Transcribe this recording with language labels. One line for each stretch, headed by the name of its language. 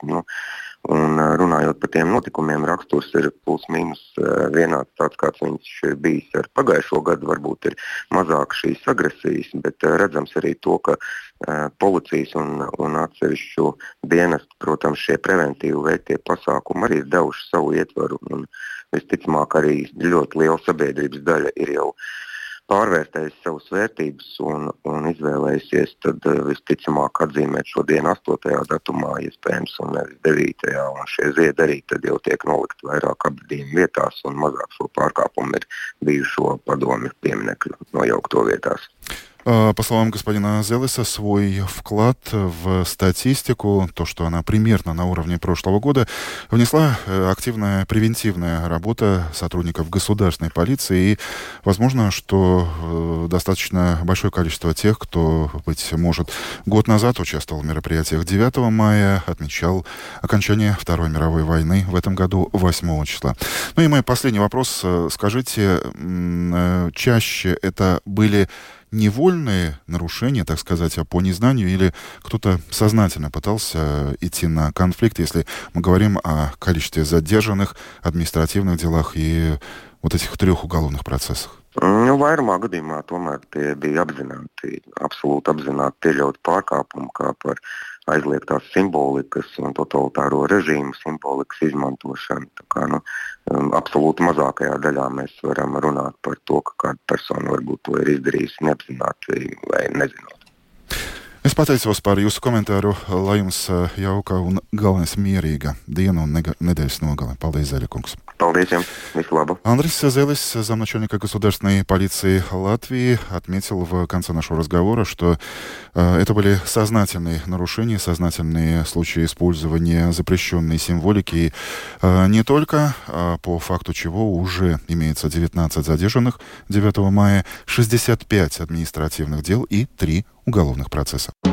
Latvian: Nu, un runājot par tiem notikumiem, raksturs ir plus mīnus vienāds tāds, kāds viņš ir bijis ar pagājušo gadu, varbūt ir mazāk šīs agresijas, bet redzams arī to, ka policijas un atsevišķo dienestu, protams, šie preventīvi veiktie pasākumi arī ir devuši savu ietvaru, un visticamāk arī ļoti liela sabiedrības daļa ir jau pārvērtējis savus vērtības un izvēlējusies, tad visticamāk atzīmēt šodien 8. Datumā, iespējams, un nevis 9. Un šie zied arī tad jau tiek nolikt vairāk apbedījumu vietās, un mazāk šo pārkāpumu ir bijušo padomju pieminekļu nojaukto vietās.
Russian: По словам господина Зелеса, свой вклад в статистику, то, что она примерно на уровне прошлого года, внесла активная превентивная работа сотрудников государственной полиции. И возможно, что достаточно большое количество тех, кто, быть может, год назад участвовал в мероприятиях 9 мая, отмечал окончание Второй мировой войны в этом году 8 числа. Ну и мой последний вопрос. Скажите, чаще это были невольные нарушения, так сказать, по незнанию, или кто-то сознательно пытался идти на конфликт, если мы говорим о количестве задержанных, административных делах и вот этих 3 уголовных процессах?
Latvian: Ну, vairumā gadījumā tomēr tie bija apzināti, absolūti apzināti pieļaut pārkāpumu kā par aizliegtās simbolikas un totalitāro režīmu simbolikas izmantošanu. Tā kā, nu, absolūti mazākajā daļā mēs varam runāt par to, ka kāda persona varbūt to ir izdarījusi neapzināti vai nezinot. Es pateicos par jūsu komentāru, lai jums jauka un galvenais mierīga diena un nedēļas nogale. Paldies, Zeļakungs. Paldies jums. Visu labu.
Russian: Andris Zelis, замначальника государственной полиции Латвии, отметил в конце нашего разговора, что это были сознательные нарушения, сознательные случаи использования запрещенной символики. Не только, по факту чего уже имеется 19 задержанных 9 мая, 65 административных дел и 3 уголовных процесса.